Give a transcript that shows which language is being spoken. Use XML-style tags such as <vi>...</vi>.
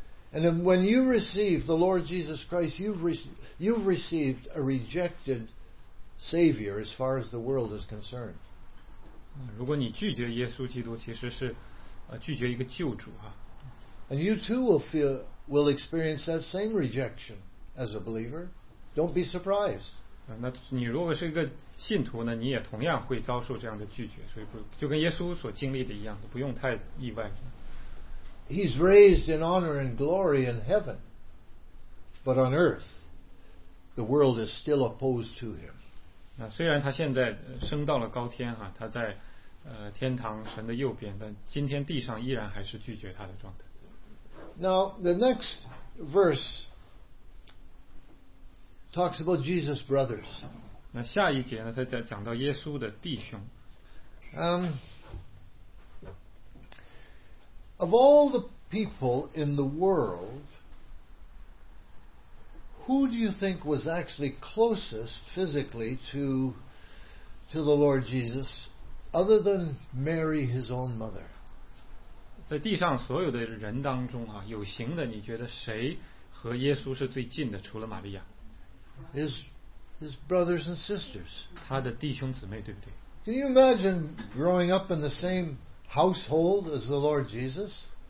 <en>and when you receive the Lord Jesus Christ, you've received a rejected Savior as far as the world is concerned.</en> <zh>如果你拒绝耶稣基督, 其实是, 拒绝一个救主啊。</zh> <en>And you too will experience that same rejection as a believer. Don't be surprised.</en> <zh>那你如果是一个信徒呢, 你也同样会遭受这样的拒绝, 所以不, 就跟耶稣所经历的一样, 不用太意外。</zh> <en>He's raised in honor and glory in heaven, but on earth, the world is still opposed to him.</en> <zh>虽然他现在升到了高天, 他在, 天堂神的右边, 但今天地上依然还是拒绝他的状态。</zh> <en>Now, the next verse talks about Jesus' brothers.</en> <zh>那下一节呢, 他讲到耶稣的弟兄。</zh> <en>Of all the people in the world, who do you think was actually closest physically to the Lord Jesus, other than Mary, his own mother?</en> <zh>在地上所有的人当中啊, 有形的, 你觉得谁和耶稣是最近的, 除了玛利亚?</zh> <en>His brothers and sisters.</en> <zh>他的弟兄姊妹, 对不对?</zh> <en>Can you imagine growing up in the same household as the Lord Jesus?</en>